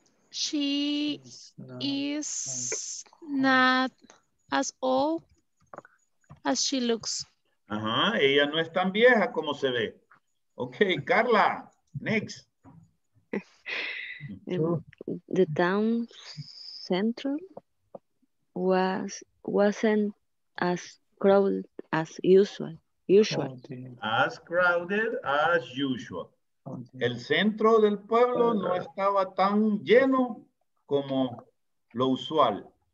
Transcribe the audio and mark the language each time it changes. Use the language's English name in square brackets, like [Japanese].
[English] She is not as old as she looks. [Spanish] Ajá, ella no es tan vieja como se ve. [English] Okay, Carla, next. The town central wasn't as crowded as usual. As crowded as usual. [Spanish] El centro del pueblo no estaba tan lleno como lo usual.